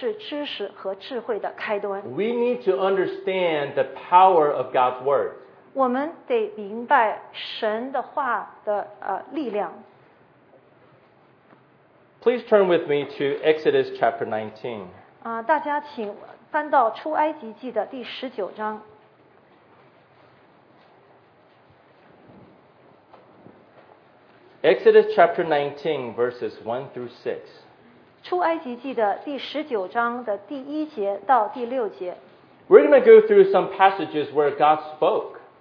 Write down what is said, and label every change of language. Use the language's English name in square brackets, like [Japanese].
[Chinese] 因为只有我们能听见神的话，我们才能够敬畏神，这才是知识和智慧的开端。 [English] We need to understand the power of God's word. [Chinese] 我们得明白神的话的力量。 [English] Please turn with me to Exodus chapter 19. [Chinese] 大家请翻到出埃及记的第十九章。 [English] Exodus chapter 19, verses 1 through 6. [Chinese] 出埃及记的第十九章的第一节到第六节。 [English] We're going to go through some passages where God spoke.